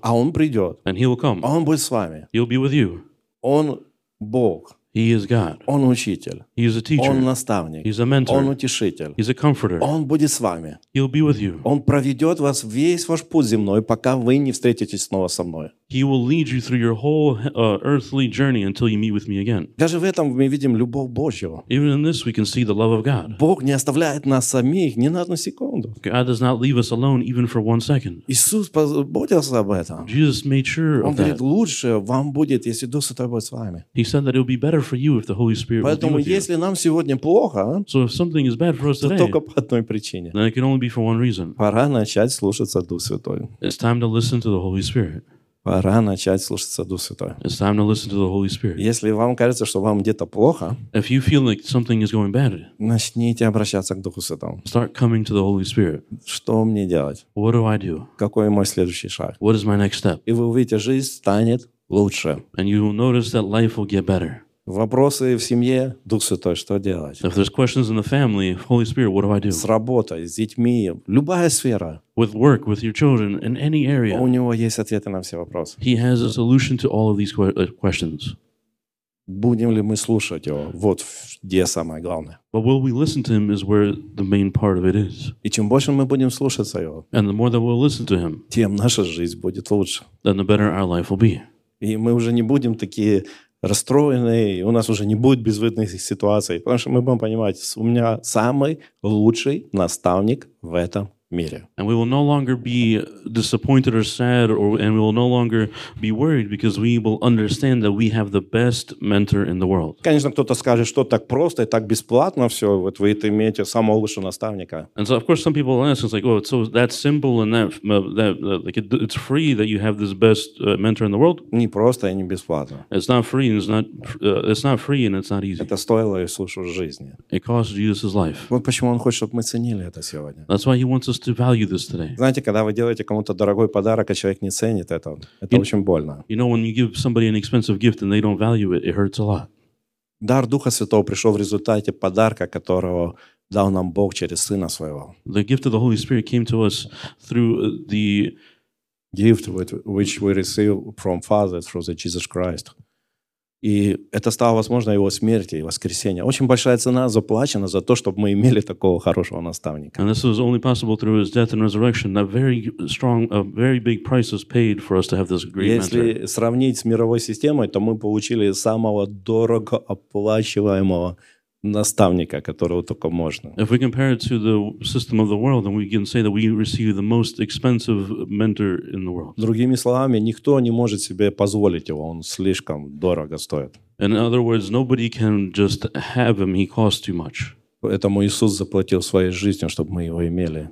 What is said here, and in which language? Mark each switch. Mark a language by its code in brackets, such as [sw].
[ru] А Он придет. [en] And He will come. [ru] А Он будет с вами. [en] He'll be with you. [ru] Он Бог. [en] He is God. [ru] Он Учитель. [en] He is a teacher. [ru] Он наставник. [en] He's a mentor. [ru] Он утешитель. [en] He's a comforter. [ru] Он будет с вами. [en] He'll be with you. [ru] Он проведет вас весь ваш путь земной, пока вы не встретитесь снова со мной. [en] He will lead you through your whole earthly journey until you meet with me again. [ru] Даже в этом мы видим любовь Божью. [en] Even in this we can see the love of God. [ru] Бог не оставляет нас самих ни на одну секунду. [en] God does not leave us alone even for one second. [ru] Иисус позаботился об этом. [en] Jesus made sure [ru] Он [en] of [ru] говорит, [en] that. [ru] Лучше вам будет, если Дух Святой будет с вами. [en] He said that it will be better for you if the Holy Spirit [ru] Поэтому, [en] will be with you. [ru] Если нам сегодня плохо, [en] so if something is bad for us [ru] то [en] today, [ru] только по одной причине. [en] Then it can only be for one reason. [ru] Пора начать слушаться Дух Святой. [en] It's time to listen to the Holy Spirit. [ru] Пора начать слушаться Дух Святой. [en] It's time to listen to the Holy Spirit. [ru] Если вам кажется, что вам где-то плохо, [en] if you feel like something is going bad, [ru] начните обращаться к Духу Святому. [en] Start coming to the Holy Spirit. [ru] Что мне делать? [en] What do I do? [ru] Какой мой следующий шаг? [en] What is my next step? [ru] И вы увидите, жизнь станет лучше. [en] And you will notice that life will get better. [ru] Вопросы в семье, Дух Святой, что делать? [en] If there's questions in the family, Holy Spirit, what do I do? [ru] С работой, с детьми, любая сфера. [en] With work, with your children, in any area. [ru] У него есть ответы на все вопросы. [en] He has a solution to all of these questions. [ru] Будем ли мы слушать его? Вот где самое главное. [en] But will we listen to him is where the main part of it is. [ru] И чем больше мы будем слушаться его, [en] and the more that we'll listen to him, [ru] тем наша жизнь будет лучше. [en] Then the better our life will be. [ru] И мы уже не будем такие расстроенные, и у нас уже не будет безвыходных ситуаций, потому что мы будем понимать, у меня самый лучший наставник в этом мире. [en] And we will no longer be disappointed or sad, and we will no longer be worried, because we will understand that we have the best mentor in the world. [ru] Конечно, кто-то скажет, что так просто и так бесплатно все, вот вы это имеете самого лучшего наставника. [en] And so, of course, some people ask, it's like, oh, so that simple and it's free that you have this best mentor in the world? [ru] Не просто и не бесплатно. [en] It's not free, and it's not free, and it's not easy. [ru] Это стоило Иисусу жизни. [en] It cost Jesus' life. [ru] Вот почему он хочет, чтобы мы ценили это сегодня. [en] That's why he wants us to value this today. [ru] Знаете, когда вы делаете кому-то дорогой подарок, а человек не ценит это, это очень больно. [en] You know, when you give somebody an expensive gift and they don't value it, it hurts a lot. [ru] Дар Духа Святого пришел в результате подарка, которого дал нам Бог через Сына Своего. [en] The gift of the Holy Spirit came to us through the gift which we received from Father through the Jesus Christ. [ru] И это стало возможно его смерти и воскресения. Очень большая цена заплачена за то, чтобы мы имели такого хорошего наставника. [en] And this was only possible through his death and resurrection. That very strong, a very big price was paid for us to have this great mentor. [ru] Если сравнить с мировой системой, то мы получили самого дорого оплачиваемого наставника, которого только можно. [en] If we compare it to the system of the world, then we can say that we receive the most expensive mentor in the world. [ru] Другими словами, никто не может себе позволить его, он слишком дорого стоит. [en] In other words, nobody can just have him, he costs too much. [ru] Поэтому Иисус заплатил своей жизнью, чтобы мы его имели.